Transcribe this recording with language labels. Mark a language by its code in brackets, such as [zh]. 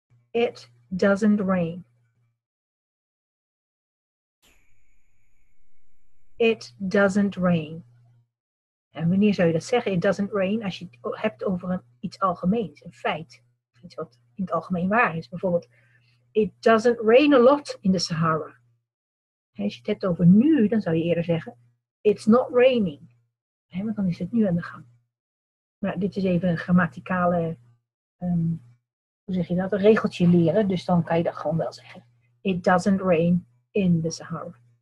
[en] It doesn't rain. It doesn't rain. [nl] En wanneer zou je dat zeggen? [en] It doesn't rain. [nl] Als je het hebt over iets algemeens. Een feit. Iets wat in het algemeen waar is. Bijvoorbeeld. [en] It doesn't rain a lot in the Sahara. [nl] En als je het hebt over nu. Dan zou je eerder zeggen. [en] It's not raining. [nl] He, want dan is het nu aan de gang. Maar dit is even een grammaticale. Hoe zeg je dat? Een regeltje leren. Dus dan kan je dat gewoon wel zeggen. [en] It doesn't rain in the Sahara.